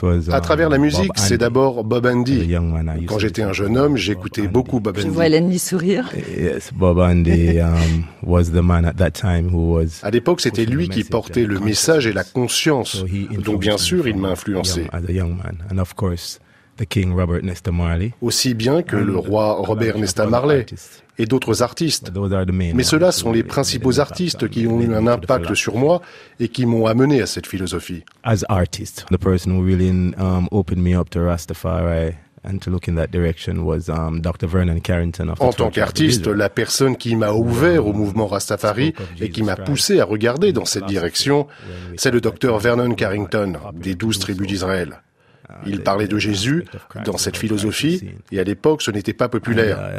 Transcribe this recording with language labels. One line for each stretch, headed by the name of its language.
French: À travers la musique, c'est d'abord Bob Andy. Quand j'étais un jeune homme, j'écoutais beaucoup Bob Andy. Je vois Hélène lui sourire.
English: Yes, Bob Andy was the man at that time who was.
French: À l'époque, c'était lui qui portait le message et la conscience. Donc, bien sûr, il m'a influencé.
English: As a young man, and of course, the King Robert Nesta Marley.
French: Aussi bien que le roi Robert Nesta Marley. Et d'autres artistes. Mais ceux-là sont les principaux artistes qui ont eu un impact sur moi et qui m'ont amené à cette philosophie.
English: As artist, the person who really opened me up to Rastafari and to look in that direction was Dr. Vernon Carrington of the
French: Church. En tant qu'artiste, la personne qui m'a ouvert au mouvement Rastafari et qui m'a poussé à regarder dans cette direction, c'est le Dr. Vernon Carrington des 12 tribus d'Israël. Il parlait de Jésus dans cette philosophie, et à l'époque, ce n'était pas populaire.